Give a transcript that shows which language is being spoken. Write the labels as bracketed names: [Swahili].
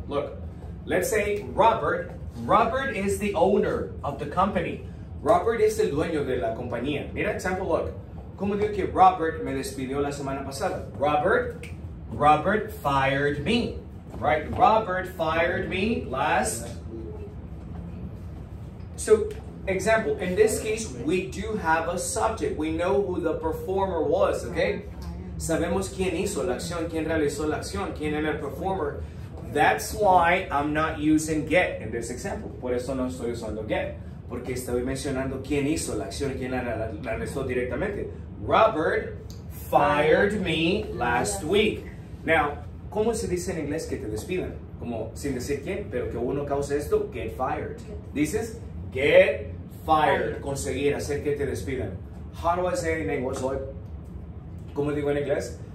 [English] Look, let's say Robert is the owner of the company. Robert is [Spanish] el dueño de la compañía. Mira, example, look. ¿Cómo digo que Robert me despidió la semana pasada? [English] Robert fired me. Right? Robert fired me last. So, example, in this case, we do have a subject. We know who the performer was, okay? [Spanish] Sabemos quién hizo la acción, quién realizó la acción, quién era el performer. [English] That's why I'm not using get in this example. [Spanish] Por eso no estoy usando get. Porque estoy mencionando quién hizo la acción, quién la realizó directamente. [English] Robert fired me last week. [Spanish] Now, ¿cómo se dice en inglés que te despidan? Como sin decir quién, pero que uno cause esto, get fired. Dices, get fired. Conseguir, hacer que te despidan. [English] How do I say in English? [Spanish] ¿Cómo digo en inglés?